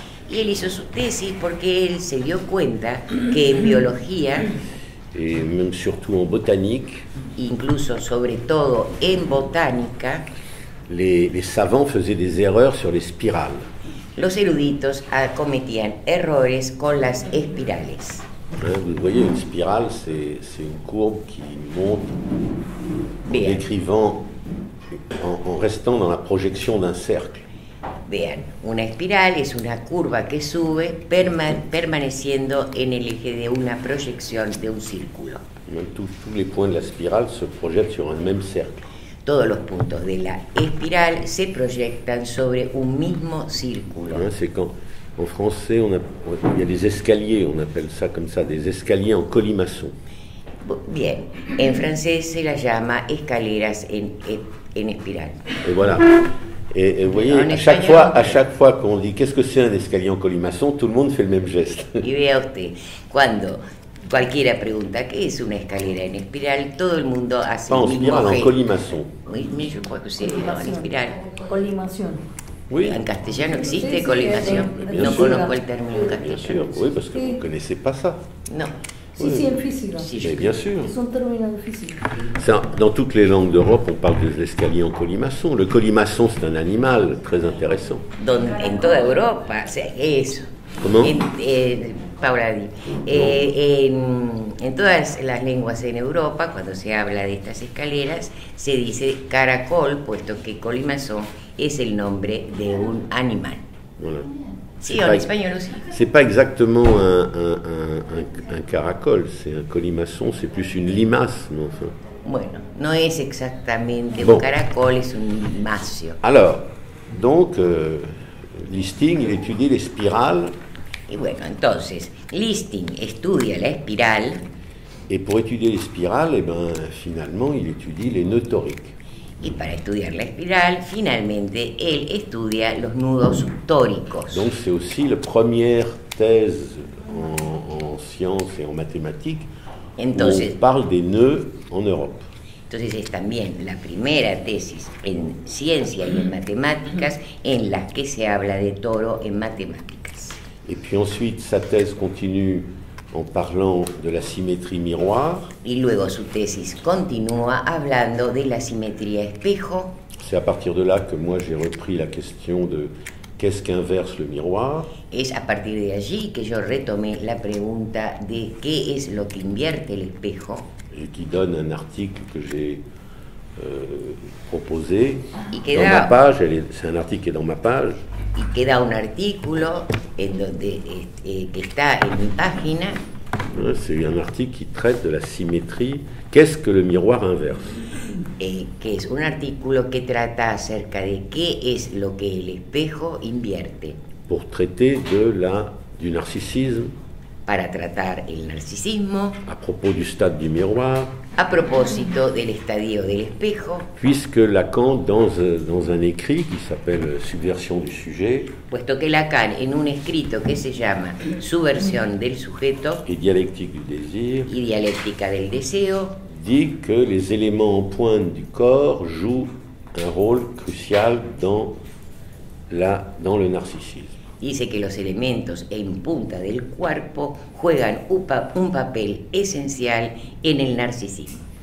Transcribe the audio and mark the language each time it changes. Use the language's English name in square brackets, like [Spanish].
[Spanish] Y él hizo su tesis porque él se dio cuenta que en biología. [French] Et même surtout en botanique. [Spanish] Incluso sobre todo en botánica. [French] Les savants faisaient des erreurs sur les spirales. [Spanish] los eruditos cometían errores con las espirales. [French] Vous voyez, une spirale, c'est une courbe qui monte en écrivant, en restant dans la projection d'un cercle. [Spanish] Bien, una espiral es una curva que sube permaneciendo en el eje de una proyección de un círculo. [French] Tous les points de la spirale se projettent sur un même cercle. [Spanish] Todos los puntos de la espiral se proyectan sobre un mismo círculo. [French] En français, il y a des escaliers, on appelle ça comme ça, des escaliers en colimaçon. [Spanish] Bien, [French] en français, [Spanish] se la llama escaleras en espiral. [French] Et voilà. Et vous voyez, à chaque fois qu'on dit qu'est-ce que c'est un escalier en colimaçon, tout le monde fait le même geste. [Spanish] Y vea usted, cuando cualquiera pregunta qué es una escalera en espiral, todo el mundo hace [French] le même geste. En spirale, en colimaçon. Oui, mais je crois que c'est en espiral. Colimaçon. [Spanish] Oui. En castellano existe colimación. No conozco el término en castellano. [French] Bien sûr, oui, parce que vous ne connaissez pas ça. Non. Oui. Si, si, en physique. Mais bien sûr. C'est un terme en physique. Ça, dans toutes les langues d'Europe, on parle de l'escalier en colimaçon. Le colimaçon, c'est un animal très intéressant. Donc, en toute Europe, c'est ça. Comment Paula dit. [Spanish] En todas las lenguas en Europa, cuando se habla de estas escaleras, se dice caracol, puesto que colimaçon es el nombre de un animal. [French] Voilà. [Spanish] Sí, en español aussi. [French] C'est pas exactement un caracol, c'est un colimaçon, c'est plus une limace, non enfin. [Spanish] Bueno, no es exactamente bon. Un caracol, es un limacio. [French] Alors, donc, Listing étudie les spirales. [Spanish] Y bueno, entonces, Listing estudia la espiral. [French] Et pour étudier les spirales, eh ben, finalement, il étudie les nœuds toriques. [Spanish] Y para estudiar la espiral, finalmente, él estudia los nudos tóricos. [French] Donc, c'est aussi la première thèse en sciences et en mathématiques [Spanish] entonces, [French] où on parle des nœuds en Europe. [Spanish] Entonces, es también la primera tesis en ciencia y en matemáticas en la que se habla de toro en matemáticas. [French] Et puis ensuite, sa thèse continue en parlant de la symétrie miroir. [Spanish] Y luego su tesis continúa hablando de la simetría espejo. [French] C'est à partir de là que moi j'ai repris la question de qu'est-ce qu'inverse le miroir. [Spanish] Es a partir de allí que yo retomé la pregunta de qué es lo que invierte el espejo. [French] Et qui donne un article que j'ai proposé [Spanish] queda... [French] dans ma page. C'est un article qui est dans ma page. [Spanish] Y queda un artículo en donde que está en mi página. [French] C'est un article qui traite de la symétrie. Qu'est-ce que le miroir inverse? [Spanish] Que es un artículo que trata acerca de qué es lo que el espejo invierte. [French] Pour traiter de la du narcissisme. [Spanish] Para tratar el narcisismo. [French] À propos du stade du miroir. [Spanish] A propósito del estadio del espejo. [French] Puisque Lacan dans un écrit qui s'appelle Subversion du sujet. [Spanish] Puesto que Lacan en un escrito que se llama Subversión del sujeto. [French] Et dialectique du désir. [Spanish] Y dialéctica del deseo. [French] Dit que les éléments en pointe du corps jouent un rôle crucial dans le narcisisme. [Spanish] Dice que los elementos en punta del cuerpo juegan un papel esencial en el narcisismo.